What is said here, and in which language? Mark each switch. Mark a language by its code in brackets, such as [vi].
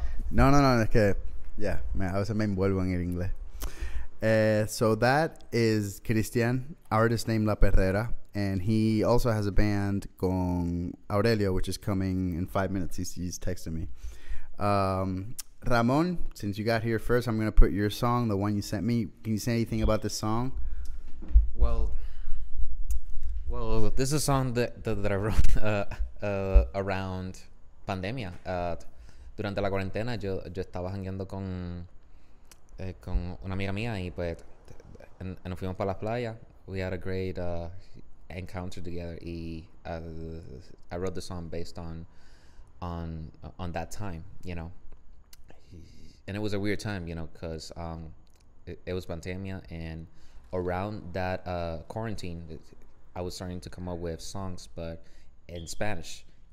[es] No, es que, yeah, a veces me envuelvo en el inglés. [en] So that is Cristian, artist named La Perrera, and he also has a band con Aurelio, which is coming in 5 minutes. He's texting me. Ramón, since you got here first, I'm going to put your song, the one you sent me. Can you say anything about this song? Well, this is a song that I wrote around pandemia. [es] Durante la cuarentena, yo estaba jangueando con una amiga mía, y pues nos fuimos para las playas. [en] We had a great encounter together, y I wrote the song based on that time, you know. And it was a weird time, you know, because it was pandemia, and around that quarantine, I was starting to come up with songs, but in Spanish.